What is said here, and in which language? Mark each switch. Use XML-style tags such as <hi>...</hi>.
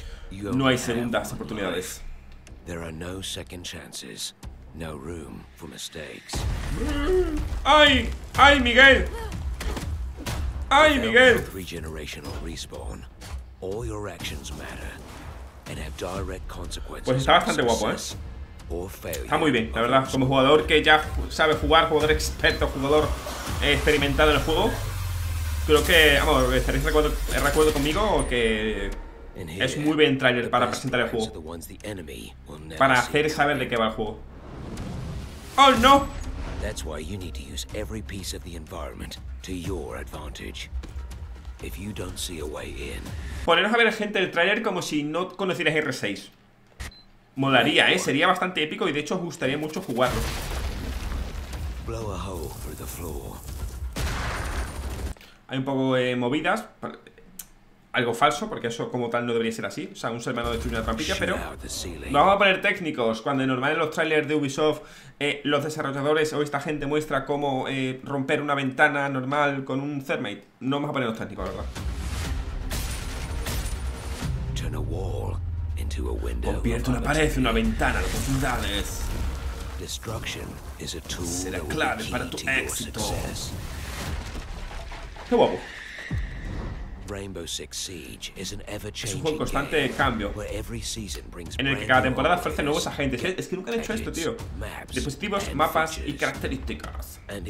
<es>No hay segundas oportunidades.</es> <en>There are no second chances, no room for mistakes.</en> <es>¡Ay! ¡Ay, Miguel! ¡Ay, Miguel!</es> <en>Regenerational respawn. All your actions matter and have direct consequences.</en> <es>Pues está bastante guapo, ¿eh? Está muy bien, la verdad. Como jugador que ya sabe jugar, jugador experto, jugador experimentado en el juego, creo que, vamos, estaréis de acuerdo conmigo que es muy bien trailer para presentar el juego. Para hacer saber de qué va el juego. ¡Oh, no!</es> <en>That's why you need to use every piece of the environment to your advantage. If you don't see a way in.</en> <es>Poneros a ver a gente del trailer como si no conocieras R6. Molaría, ¿eh? Sería bastante épico y de hecho os gustaría mucho jugarlo.</es> <en>Blow a hole through the floor.</en> <es>Hay un poco de movidas. Algo falso, porque eso como tal no debería ser así. O sea, un ser humano destruye una trampilla, pero vamos a poner técnicos. Cuando de normal en los trailers de Ubisoft, los desarrolladores o esta gente muestra cómo romper una ventana normal con un Thermite, no vamos a poner los técnicos, ¿verdad?</es> <en>Turn a wall into a window.</en> <es>Convierte una pared en una ventana de oportunidades.</es> <en>Destruction is a tool.</en> <es>Será clave para tu éxito. Qué guapo.</es> <en>Rainbow Six Siege is an ever-changing game.</en> <es>Es un constante cambio. En el que cada temporada ofrece nuevos agentes. Es que nunca han hecho esto, tío. Dispositivos, mapas y características.</es>